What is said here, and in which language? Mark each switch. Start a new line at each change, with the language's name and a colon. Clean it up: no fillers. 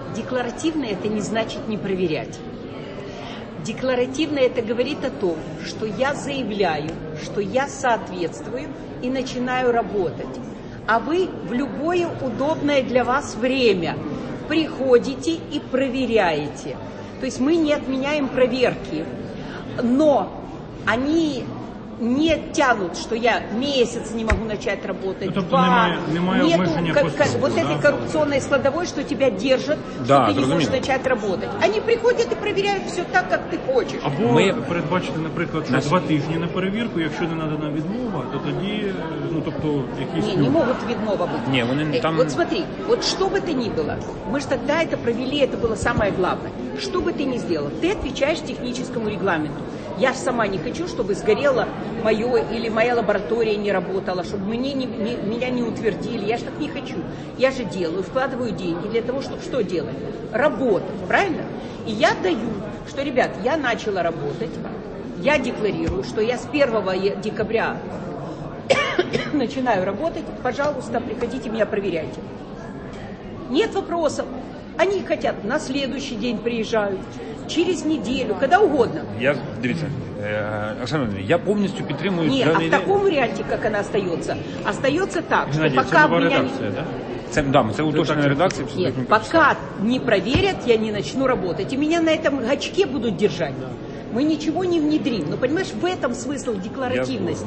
Ukrainian: Декларативне – це не значить не перевіряти.
Russian: Декларативно это говорит о том, что я заявляю, что я соответствую и начинаю работать. А вы в любое удобное для вас время приходите и проверяете. То есть мы не отменяем проверки, но они не тянут, что я месяц не могу начать работать, ну, два, нету вот этой коррупционной складовой, что тебя держат, да, что ты не можешь начать работать. Они приходят и проверяют все так, как ты хочешь.
Ukrainian: Або мы передбачили, наприклад, что два тижні на перевірку, якщо не надана відмова, то тоді, ну, тобто, якісь... Не могут відмова бути. Не, вони там...
Russian: Вот смотри, вот что бы то ни было, мы же тогда это провели, это было самое главное. Что бы ты ни сделал, ты отвечаешь техническому регламенту.
Ukrainian: Я ж сама не хочу, щоб згоріло моє
Russian: или моя
Ukrainian: лабораторія не работала, щоб мені
Russian: меня не утвердили. Я ж так не хочу. Я ж делаю, вкладываю деньги для того,
Ukrainian: щоб що
Russian: делать? Работать, правильно?
Ukrainian: І я даю, що,
Russian: ребят, я начала работать. Я декларирую,
Ukrainian: що я з
Russian: 1 декабря начинаю работать. Пожалуйста, приходите меня проверяйте. Нет вопросов. Они хотят на следующий день приезжают. Через неделю, когда угодно.
Ukrainian: Я, дивіться, Оксана, я повністю підтримую. Ні, а в такому варіанті, як вона остається? Остається так, Геннадій, що поки це нова редакція, да? Це, да, це уточнена редакція. Ні, поки не проверять, я не почну працювати. І мене на цьому гачку будуть тримати. Да. Ми нічого не внедрим. Ну, розумієш, в цьому смисл декларативності.